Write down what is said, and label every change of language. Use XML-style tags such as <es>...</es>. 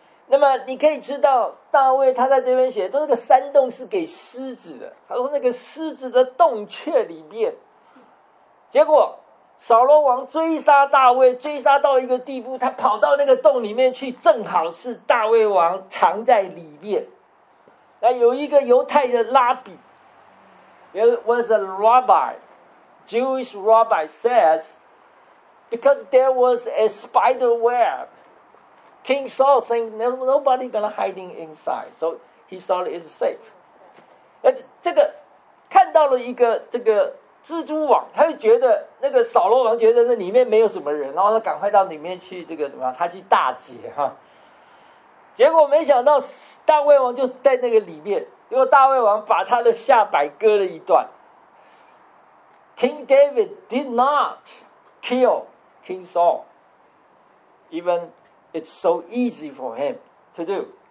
<zh>那么你可以知道，大卫他在这边写，说那个山洞是给狮子的。他说那个狮子的洞穴里面，结果。扫罗王追杀大卫，追杀到一个地步，他跑到那个洞里面去，正好是大卫王藏在里面。那有一个犹太的拉比</zh> <en>，there was a rabbi, Jewish rabbi says, because there was a spider web, King Saul saying nobody gonna hiding inside, so he thought it's safe.</en> <zh>那这个看到了一个这个。蜘蛛网，他就觉得那个扫罗王觉得那里面没有什么人，然后他赶快到里面去，这个怎么样？他去大劫哈。结果没想到大卫王就在那个里面，结果大卫王把他的下摆割了一段。</zh> <en>King David did not kill King Saul, even it's so easy for him to do.</en>